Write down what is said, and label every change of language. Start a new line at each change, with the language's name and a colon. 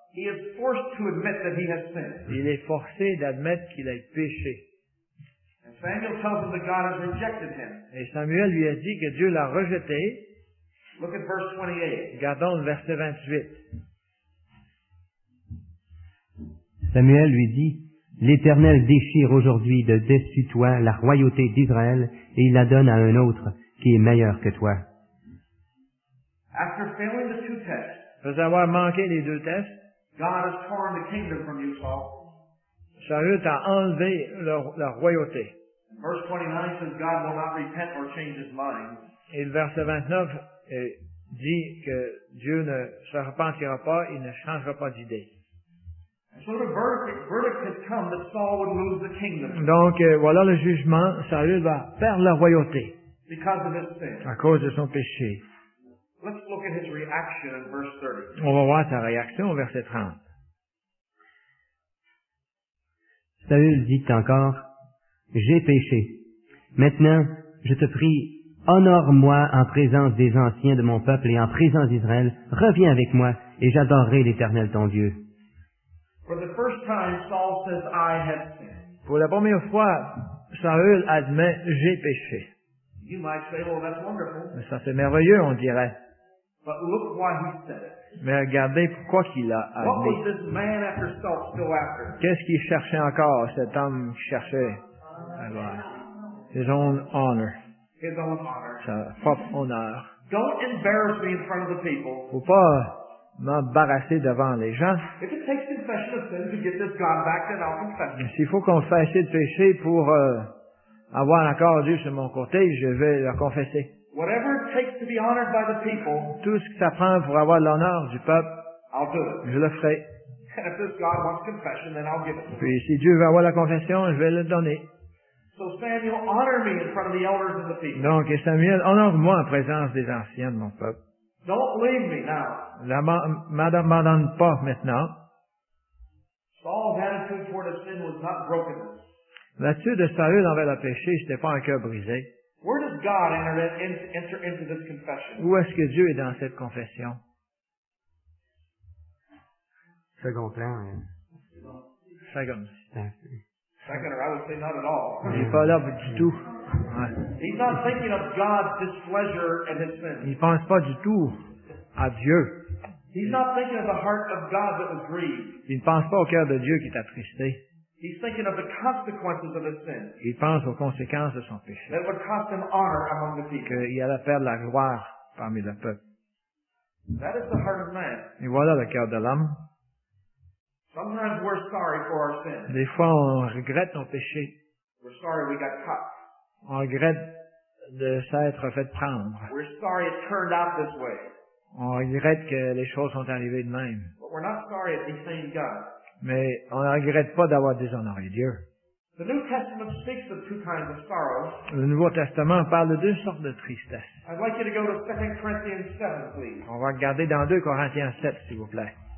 English: he is forced to admit that he has sinned.
French: Il est forcé d'admettre qu'il a péché.
English: And Samuel tells him that God has rejected him.
French: Et Samuel lui a dit que Dieu l'a rejeté.
English: Look at verse 28.
French: Regardons le verset 28. Samuel lui dit, l'Éternel déchire aujourd'hui de dessus toi la royauté d'Israël et il la donne à un autre qui est meilleur que toi.
English: After failing the two tests,
French: après avoir manqué les deux tests,
English: God has torn the kingdom from you, Saul.
French: Saül t'a enlevé la royauté.
English: Verse 29 says God will not repent or change his mind.
French: Et le verset 29 dit que Dieu ne se repentira pas, il ne changera pas d'idée.
English: So the verdict has come that Saul would lose the kingdom.
French: Donc voilà le jugement, Saül va perdre la royauté.
English: Because of his sin.
French: À cause de son péché.
English: Let's look at his reaction in verse 30.
French: On va voir sa réaction au verset 30. Saül dit encore, j'ai péché. Maintenant, je te prie, honore-moi en présence des anciens de mon peuple et en présence d'Israël. Reviens avec moi et j'adorerai l'Éternel ton Dieu.
English: For the first time, Saul says, I have sinned.
French: Pour la première fois, Saül admet, j'ai péché.
English: You might say, well, that's wonderful.
French: Mais ça, c'est merveilleux, on dirait.
English: But look why he said it.
French: Mais regardez pourquoi qu'il a admis.
English: What was this man after Saul still after?
French: Qu'est-ce qu'il cherchait encore, cet homme qui cherchait à voir?
English: His own honor.
French: Sa propre honneur.
English: Don't embarrass me in front of the people.
French: Faut pas m'embarrasser devant les gens.
English: If it takes confession of sin to get this God back, then I'll confess.
French: S'il faut qu'on fasse assez de péché pour avoir encore Dieu sur mon côté, je vais le confesser.
English: Whatever it takes to be honored by the people,
French: tout ce que ça prend pour avoir l'honneur du peuple,
English: I'll do it.
French: Je le ferai.
English: And if this God wants confession, then I'll give it to him.
French: Puis si Dieu veut avoir la confession, je vais le donner.
English: So Samuel, honor me in front of the elders of the people.
French: Donc Samuel, honore-moi en présence des anciens de mon peuple.
English: Don't leave me now.
French: M'abandonne pas maintenant.
English: Saul's attitude toward his sin was not brokenness.
French: L'attitude de Saül envers le péché, ce n'était pas un cœur brisé.
English: Where does God enter into this confession?
French: Où est-ce que Dieu est dans cette confession? Second plan. Hein?
English: Second, or I would say not at all.
French: Il n'est pas là du tout. Ouais.
English: He's not thinking of God's displeasure and his sin.
French: Il pense pas du tout à Dieu.
English: He's not thinking of the heart of God that was grieved.
French: Il ne pense pas au cœur de Dieu qui est attristé.
English: He's thinking of the consequences of his sin.
French: Il pense aux conséquences de son péché.
English: That would cost him honor among the people.
French: Qu'il allait perdre la gloire parmi le peuple.
English: That is the heart of man.
French: Et voilà le cœur de l'homme.
English: Sometimes we're sorry for our sin.
French: Des fois, on regrette nos péchés.
English: We're sorry we got caught.
French: On regrette de s'être fait prendre.
English: We're sorry it turned out this way.
French: On regrette que les choses sont arrivées de même.
English: But we're not sorry at the same God.
French: Mais on ne regrette pas d'avoir déshonoré Dieu.
English: The New Testament speaks of two kinds of sorrow.
French: Le Nouveau Testament parle de deux sortes de tristesse.
English: I'd like you to go to 2 Corinthians 7, please.
French: On va regarder dans 2 Corinthiens 7, s'il vous plaît.